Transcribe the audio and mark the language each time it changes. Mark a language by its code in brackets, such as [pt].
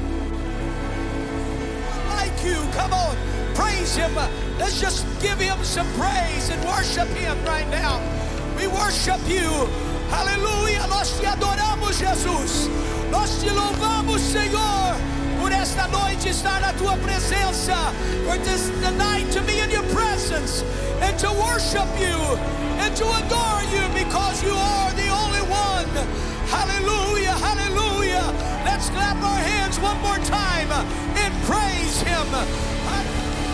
[en] Thank you. Come on. Praise him. Let's just give him some praise and worship him right now. We worship you. [pt] Aleluia, nós te adoramos, Jesus. Nós te louvamos, Senhor, por esta noite estar na tua presença. [en] For this night to be in your presence and to worship you and to adore you because you are the only one. [pt] Aleluia, aleluia. [en] Let's clap our hands one more time and praise him.